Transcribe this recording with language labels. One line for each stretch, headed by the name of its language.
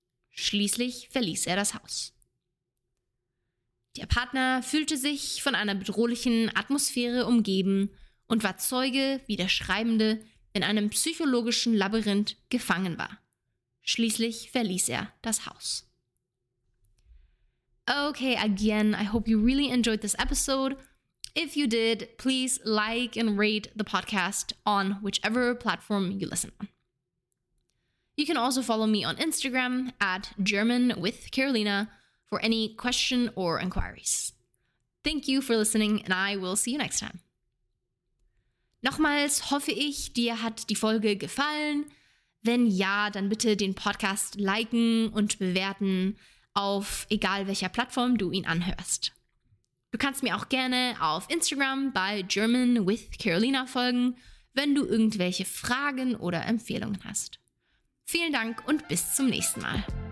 German: Schließlich verließ er das Haus. Der Partner fühlte sich von einer bedrohlichen Atmosphäre umgeben und war Zeuge, wie der Schreibende in einem psychologischen Labyrinth gefangen war. Schließlich verließ er das Haus.
English: Okay, again, I hope you really enjoyed this episode. If you did, please like and rate the podcast on whichever platform you listen on. You can also follow me on Instagram at GermanWithCarolina for any question or inquiries. Thank you for listening and I will see you next time.
German: Nochmals hoffe ich, dir hat die Folge gefallen. Wenn ja, dann bitte den Podcast liken und bewerten auf egal welcher Plattform du ihn anhörst. Du kannst mir auch gerne auf Instagram bei GermanWithCarolina folgen, wenn du irgendwelche Fragen oder Empfehlungen hast. Vielen Dank und bis zum nächsten Mal.